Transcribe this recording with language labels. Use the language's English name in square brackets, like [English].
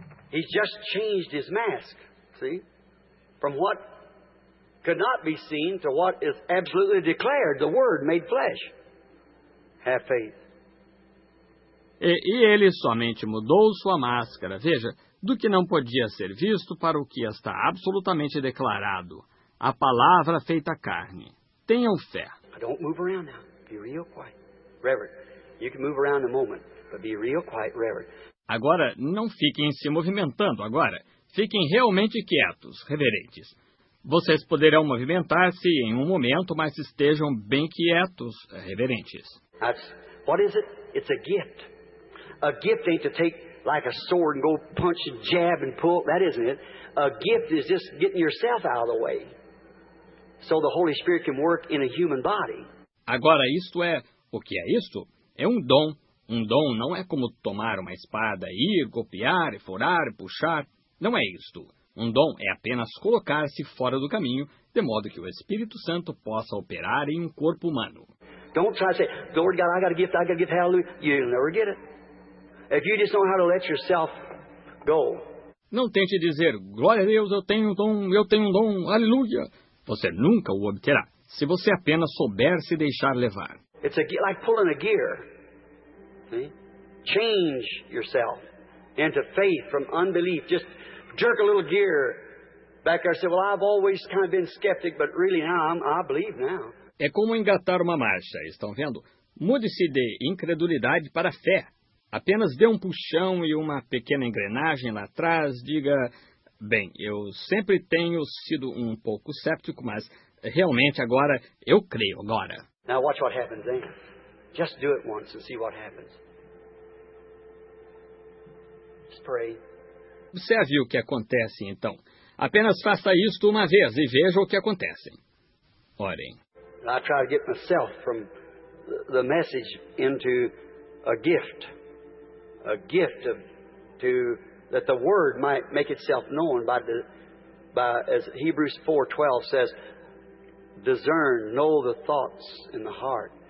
[English] He just changed his mask, see? From what could not be seen to what is absolutely declared, the word made flesh. Have faith. [Portuguese] E ele somente mudou sua máscara, veja, do que não podia ser visto para o que está absolutamente declarado. A palavra feita carne. Tenham fé. [English] I don't move around now. Be real quiet. Reverend, you can move around in a moment, but be real quiet, Reverend. [Portuguese] Agora, não fiquem se movimentando agora. Fiquem realmente quietos, reverentes. Vocês poderão movimentar-se em um momento, mas estejam bem quietos, reverentes. [English] What is it? It's a gift. A gift ain't to take like a sword and go punch and jab and pull. That isn't it. A gift is just getting yourself out of the way so the Holy Spirit can work in a human body. [Portuguese] Agora, isto é, o que é isto? É um dom, Um dom não é como tomar uma espada e ir, golpear, furar, puxar. Não é isto. Um dom é apenas colocar-se fora do caminho, de modo que o Espírito Santo possa operar em um corpo humano. [English] Don't try to say, Lord God, I got a gift, I got a gift, hallelujah. You'll never get it. If you just know how to let yourself go. [Portuguese] Não tente dizer, glória a Deus, eu tenho um dom, aleluia. Você nunca o obterá, se você apenas souber se deixar levar. [English] It's like pulling a gear. See? Change yourself into faith from unbelief. Just jerk a little gear back there. Say, well, I've always kind of been skeptic, but really now I believe now. [Portuguese] É como engatar uma marcha, estão vendo? Mude-se de incredulidade para fé. Apenas dê um puxão e uma pequena engrenagem lá atrás. Diga, bem, eu sempre tenho sido um pouco cético, mas realmente agora eu creio agora. [English] Now watch what happens then. Just do it once and see what happens. Just pray. [Portuguese] Observe o que acontece então. Apenas faça isto uma vez e veja o que acontece. Orem. [English] I try to get myself from the message into a gift. A gift of to that the word might make itself known by the by as Hebrews 4:12 says, discern, know the thoughts in the heart.